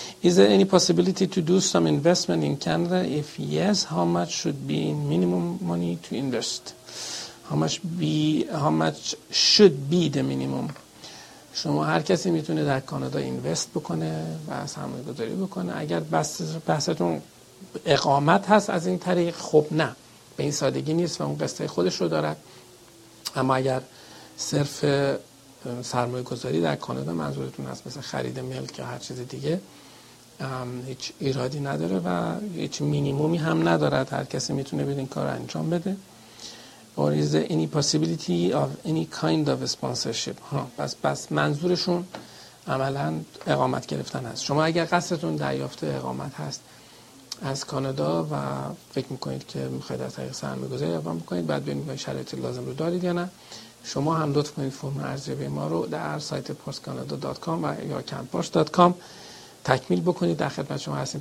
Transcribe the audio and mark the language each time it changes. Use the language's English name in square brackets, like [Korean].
[English] Is there any possibility to do some investment in Canada? If yes, how much should be minimum money to invest? How much should be the minimum? [Persian] شما هر کسی میتونه در کانادا اینوست بکنه و سرمایه گذاری بکنه. اگر بحثتون اقامت هست از این طریق، خب نه، به این سادگی نیست و اون قصه خودش رو دارد. اما اگر صرف سرمایه گذاری در کانادا منظورتون هست، مثل خرید ملک یا هر چیز دیگه، هیچ ایرادی نداره و هیچ مینیمومی هم ندارد. هر کسی میتونه بدین کار انجام بده. [English] Or is there any possibility of any kind of sponsorship? [Persian] بس منظورشون عملا اقامت گرفتن هست. شما اگر قصدتون دریافت اقامت هست از کانادا و فکر میکنید که میخواید از طریق سرمایه گذاری اقدام میکنید، بعد ببینید شرایط لازم رو دارید یا نه، شما هم لطف کنید فرم ارزیابی ما رو در سایت postcanada.com و یا canpost.com تکمیل بکنید. در خدمت شما هستیم.